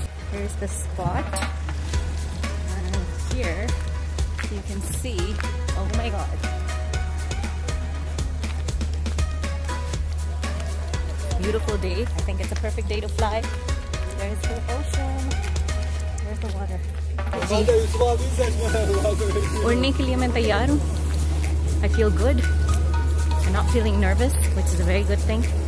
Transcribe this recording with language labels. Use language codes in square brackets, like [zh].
[en] Here's the spot, and here you can see. Oh my God! Beautiful day. I think it's a perfect day to fly. There's the ocean. [hi] उड़ने के लिए मैं तैयार हूँ. [en] I feel good. I'm not feeling nervous, which is a very good thing.